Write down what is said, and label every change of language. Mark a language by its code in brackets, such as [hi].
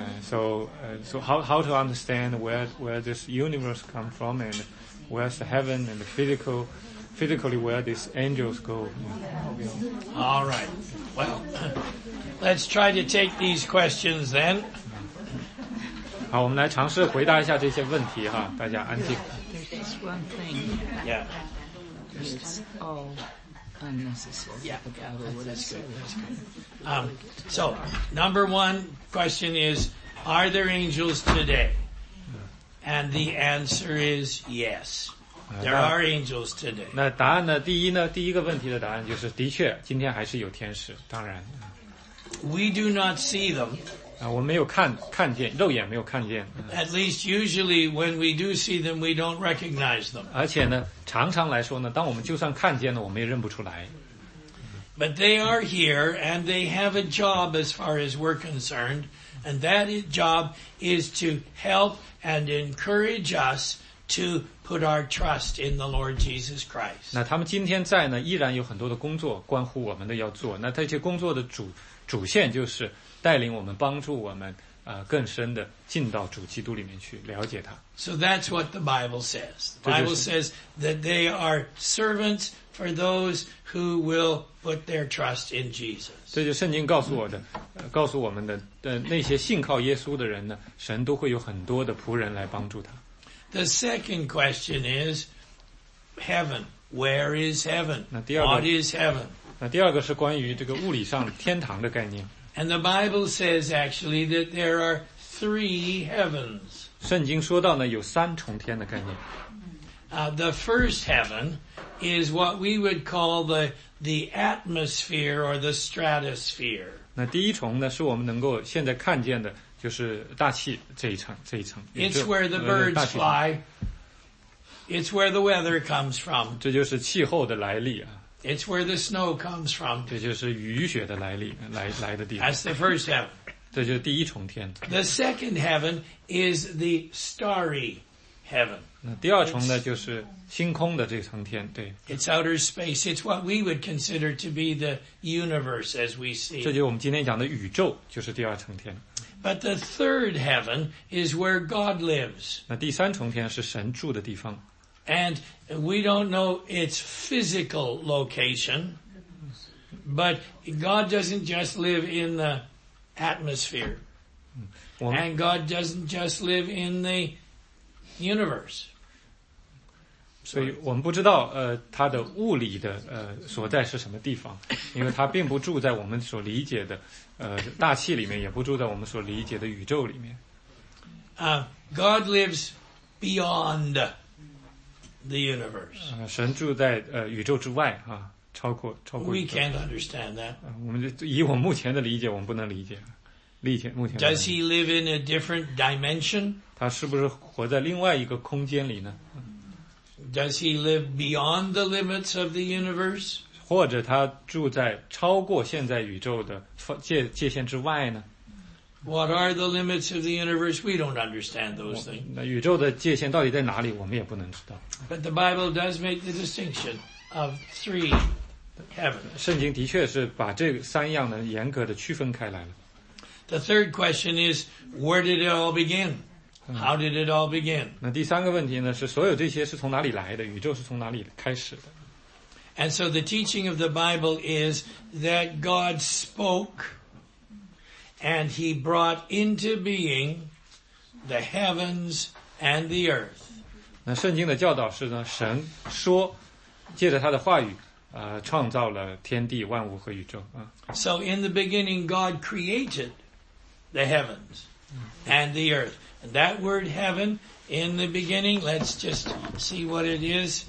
[en] So how to understand where this universe come from, and where's the heaven and the physically where these angels go. All right. Well, let's try to take these questions then. [zh] 好，我们来尝试回答一下这些问题哈，大家安静。 [en] There's just one thing. Yeah. It's all unnecessary. Yeah, okay, that's good. That's good. So, number one question is, are there angels today? And the answer is yes. There are angels today. [zh] 那答案呢？第一呢？第一个问题的答案就是，的确，今天还是有天使。当然 [en] ，We do not see them. [zh] 啊，我没有看见，肉眼没有看见。 [en] At least usually when we do see them, we don't recognize them. [zh] 而且呢，常常来说呢，当我们就算看见了，我们也认不出来。 [en] But they are here, and they have a job as far as we're concerned, and that job is to help and encourage us. To put our trust in the Lord Jesus Christ. [zh] 那他们今天在呢，依然有很多的工作关乎我们的要做。那这些工作的主线就是带领我们，帮助我们，更深的进到主基督里面去，了解他。 [en] So that's what the Bible says. The Bible says that they are servants for those who will put their trust in Jesus. [zh] 这就是圣经告诉我的，告诉我们的，那些信靠耶稣的人呢，神都会有很多的仆人来帮助他。 [en] The second question is heaven. Where is heaven? What is heaven? [zh] 那第二个是关于这个物理上天堂的概念。 [en] And the Bible says actually that there are three heavens. [zh] 圣经说到呢，有三重天的概念。 [en] The first heaven is what we would call the atmosphere or the stratosphere. [zh] 那第一重呢，是我们能够现在看见的。就是大气这一层 [en] It's where the birds fly. It's where the weather comes from. [zh] 这就是气候的来历啊。 [en] It's where the snow comes from. [zh] 这就是雨雪的来历，来的地方。 [en] That's the first heaven. [zh] 这就是第一重天。 [en] The second heaven is the starry heaven. [zh] 那第二重呢，就是星空的这层天，对。 [en] It's outer space. It's what we would consider to be the universe as we see. [zh] 这就是我们今天讲的宇宙，就是第二层天。 [en] But the third heaven is where God lives. [zh] 那第三重天是神住的地方。 [en] And we don't know its physical location, but God doesn't just live in the atmosphere. And God doesn't just live in the universe. [zh] 所以我们不知道他的物理的所在是什么地方，因为他并不住在我们所理解的大气里面，也不住在我们所理解的宇宙里面。 [en] God lives beyond the universe. [zh] 神住在宇宙之外啊，超过。 [en] We can't understand that. [zh] 我们以我目前的理解，我们不能理解。 [en] Does he live in a different dimension? [zh] 他是不是活在另外一个空间里呢？ [en] Does he live beyond the limits of the universe? [zh] 或者他住在超过现在宇宙的界限之外呢？ [en] What are the limits of the universe? We don't understand those things. [zh] 那宇宙的界限到底在哪里？我们也不能知道。 [en] But the Bible does make the distinction of three heavens. [zh] 圣经的确是把这三样呢严格的区分开来了。 [en] The third question is, where did it all begin? How did it all begin? [zh] 那第三个问题呢，是所有这些是从哪里来的？宇宙是从哪里开始的 [en] ？And so the teaching of the Bible is that God spoke, and He brought into being the heavens and the earth. [zh] 那圣经的教导是呢，神说，借着他的话语，创造了天地万物和宇宙啊。 [en] So in the beginning, God created the heavens and the earth. And that word heaven in the beginning, let's just see what it is.